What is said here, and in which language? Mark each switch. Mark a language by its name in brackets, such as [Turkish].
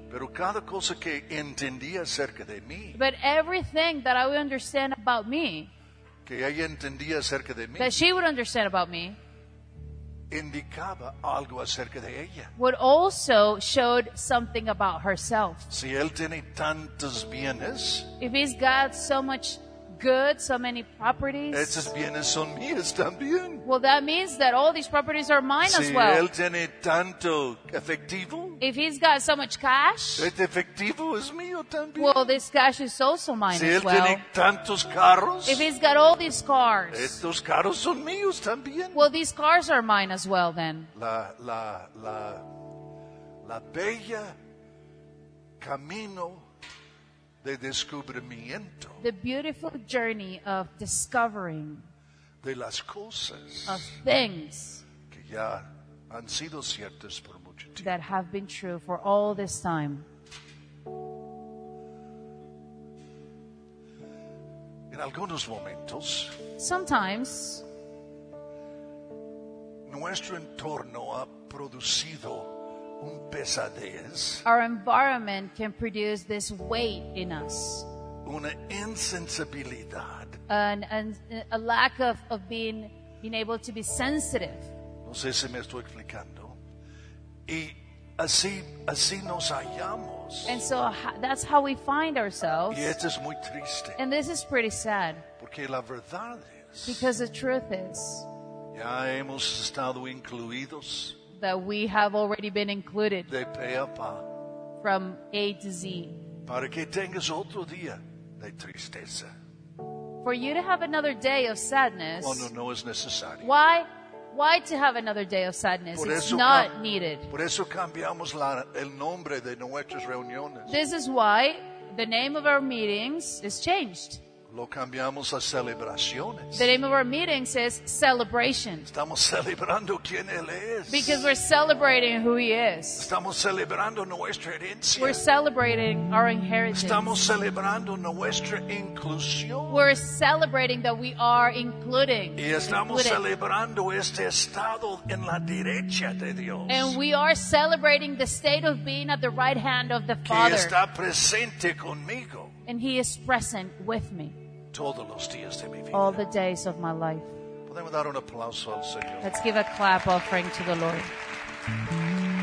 [Spanish] Pero cada cosa que entendía acerca de mí. [English] But everything that I would understand about me. [Spanish] Que ella entendía acerca de mí. [English] That she would understand about me. [Spanish] indicaba algo acerca de ella. [English] Would also showed something about herself. [Spanish] Si él tiene tantos bienes, [English] if he's got so much good, so many properties, [Spanish] esos bienes son míos también. [English] Well, that means that all these properties are mine [Spanish] si [English] as well. [Spanish] Si él tiene tanto efectivo, [English] if he's got so much cash, [Spanish] este efectivo es mío también. [English] Well, this cash is also mine [Spanish] si [English] as [Spanish] él [English] well. [Spanish] Tiene tantos carros, [English] if he's got all these cars, [Spanish] estos carros son míos también. [English] Well, these cars are mine as well then. [Spanish] La bella camino de descubrimiento. [English] The beautiful journey of discovering [Spanish] de las cosas [English] of things [Spanish] que ya han sido ciertas por mucho tiempo. [English] That have been true for all this time. [Spanish] En algunos momentos, [English] sometimes, [Spanish] nuestro entorno ha producido un pesadez, [English] our environment can produce this weight in us. [Spanish] Una insensibilidad. [English] A lack of being able to be sensitive. [Spanish] No sé si me estoy explicando. Y así nos hallamos. [English] And so that's how we find ourselves. [Spanish] Y esto es muy triste. [English] And this is pretty sad. [Spanish] Porque la verdad es, [English] because the truth is, [Spanish] ya hemos estado incluidos, [English] that we have already been included [Spanish] de pe a pa, [English] from A to Z. [Spanish] Para que tengas otro día de tristeza. [English] For you to have another day of sadness. [Spanish] Cuando no es necesario. [English] Why to have another day of sadness? [Spanish] Por [English] it's not needed. [Spanish] Por eso cambiamos el nombre de nuestras reuniones. [English] This is why the name of our meetings is changed. [Spanish] Lo cambiamos a celebraciones. [English] The name of our meetings is celebration. [Spanish] Estamos celebrando quién él es. [English] Because we're celebrating who he is. [Spanish] Estamos celebrando nuestra herencia. [English] We're celebrating our inheritance. [Spanish] Estamos celebrando nuestra inclusión. [English] We're celebrating that we are including. [Spanish] Y estamos celebrando este estado en la derecha de Dios. [English] And we are celebrating the state of being at the right hand of the Father. [Spanish] Que está presente conmigo. [English] And he is present with me [Spanish] todos los días de mi vida. [English] All the days of my life. [Spanish] Podemos dar un aplauso al Señor. [English] Let's give a clap offering to the Lord.